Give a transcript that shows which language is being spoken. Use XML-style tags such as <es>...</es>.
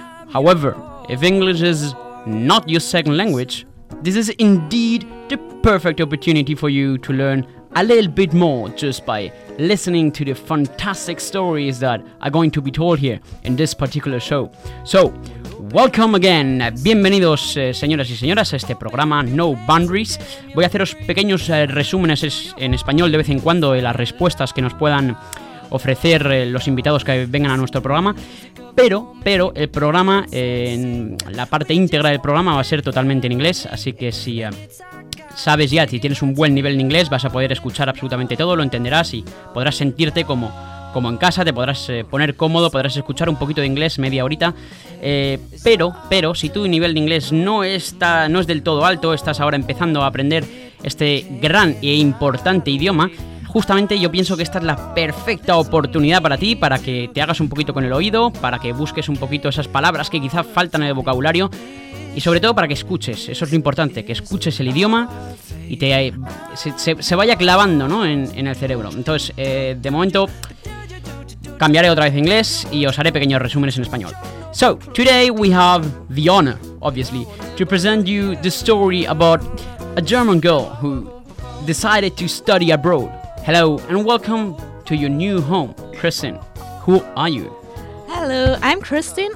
<en>However, if English is not your second language, this is indeed the perfect opportunity for you to learn a little bit more just by listening to the fantastic stories that are going to be told here in this particular show. So, welcome again.</en> <es>Bienvenidos, señoras y señoras, a este programa No Boundaries. Voy a haceros pequeños resúmenes en español de vez en cuando de las respuestas que nos puedan ofrecer los invitados que vengan a nuestro programa. Pero el programa, la parte íntegra del programa va a ser totalmente en inglés, así que si sabes ya, si tienes un buen nivel de inglés, vas a poder escuchar absolutamente todo, lo entenderás y podrás sentirte como en casa, te podrás poner cómodo, podrás escuchar un poquito de inglés media horita. Pero si tu nivel de inglés no es del todo alto, estás ahora empezando a aprender este gran e importante idioma, justamente yo pienso que esta es la perfecta oportunidad para ti, para que te hagas un poquito con el oído, para que busques un poquito esas palabras que quizá faltan en el vocabulario. Y sobre todo para que escuches, eso es lo importante, que escuches el idioma y se vaya clavando, ¿no?, en el cerebro. Entonces, de momento, cambiaré otra vez a inglés y os haré pequeños resúmenes en español.</es> <en>So, today we have the honor, obviously, to present you the story about a German girl who decided to study abroad. Hello and welcome to your new home, Kristin. Who are you? Hello, I'm Kristin.</en>